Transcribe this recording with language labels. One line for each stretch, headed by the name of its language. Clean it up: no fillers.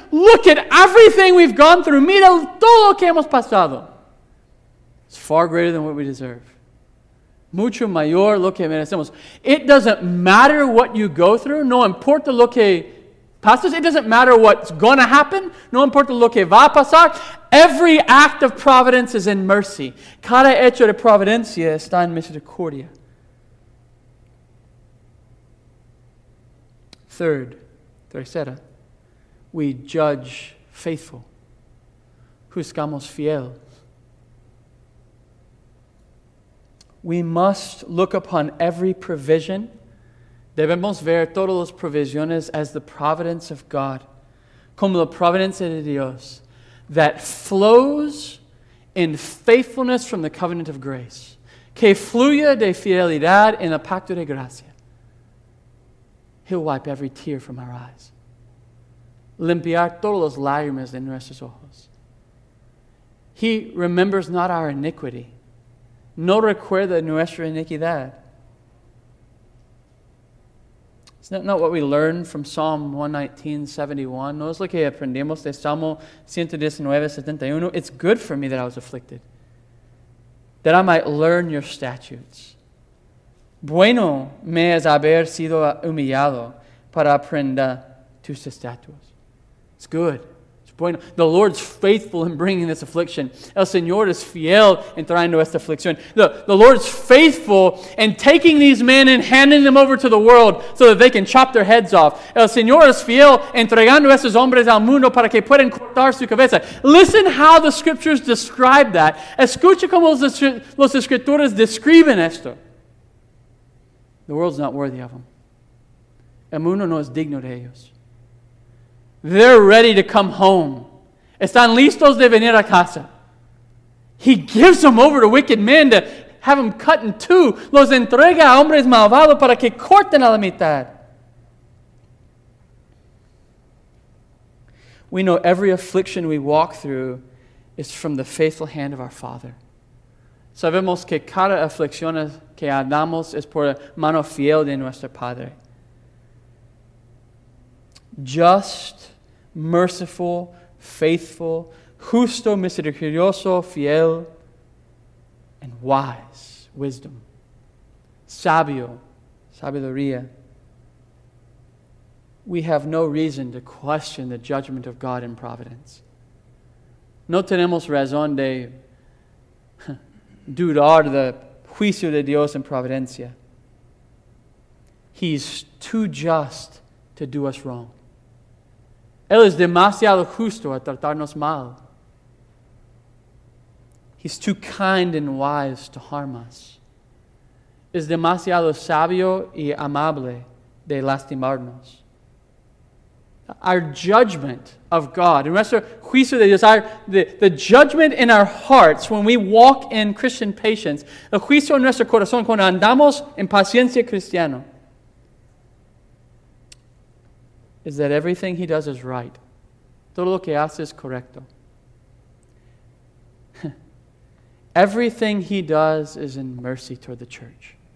English: Look at everything we've gone through.
Spanish: Mira todo lo que hemos pasado.
English: It's far greater than what we deserve.
Spanish: Mucho mayor lo que merecemos.
English: It doesn't matter what you go through.
Spanish: No importa lo que pastors,
English: it doesn't matter what's going to happen.
Spanish: No importa lo que va a pasar.
English: Every act of providence is in mercy.
Spanish: Cada hecho de providencia está en misericordia.
English: Third,
Spanish: tercera,
English: we judge faithful.
Spanish: Juzgamos fiel.
English: We must look upon every provision.
Spanish: Debemos ver todas las provisiones
English: as the providence of God,
Spanish: como la providencia de Dios,
English: that flows in faithfulness from the covenant of grace,
Spanish: que fluya de fidelidad en el pacto de gracia.
English: He'll wipe every tear from our eyes,
Spanish: limpiar todas las lágrimas de nuestros ojos.
English: He remembers not our iniquity,
Spanish: no recuerda nuestra iniquidad.
English: Is that not what we learn from Psalm 119:71?
Spanish: No, es lo que aprendemos de Salmo 119:71.
English: It's good for me that I was afflicted, that I might learn your statutes.
Spanish: Bueno me es haber sido humillado para aprender tus estatutos.
English: It's good. It's bueno. The Lord's faithful in bringing this affliction.
Spanish: El Señor es fiel en trayendo esta aflicción.
English: The Lord's faithful in taking these men and handing them over to the world so that they can chop their heads off.
Spanish: El Señor es fiel entregando estos hombres al mundo para que puedan cortar su cabeza.
English: Listen how the Scriptures describe that.
Spanish: Escucha cómo los Escrituras describen esto.
English: The world's not worthy of them.
Spanish: El mundo no es digno de ellos.
English: They're ready to come home.
Spanish: Están listos de venir a casa.
English: He gives them over to wicked men to have them cut in two.
Spanish: Los entrega a hombres malvados para que corten a la mitad.
English: We know every affliction we walk through is from the faithful hand of our Father.
Spanish: Sabemos que cada aflicción que andamos es por mano fiel de nuestro Padre.
English: Just, merciful, faithful,
Spanish: justo, misericordioso, fiel,
English: and wise, wisdom.
Spanish: Sabio, sabiduría.
English: We have no reason to question the judgment of God in providence.
Spanish: No tenemos razón de dudar del juicio de Dios en providencia.
English: He's too just to do us wrong.
Spanish: Él es demasiado justo a tratarnos mal.
English: He's too kind and wise to harm us.
Spanish: Es demasiado sabio y amable de lastimarnos.
English: Our judgment of God,
Spanish: nuestro juicio de Dios,
English: the judgment in our hearts when we walk in Christian patience,
Spanish: el juicio en nuestro corazón cuando andamos en paciencia cristiana,
English: is that everything he does is right.
Spanish: Todo lo que hace es correcto.
English: Everything he does is in mercy toward the church.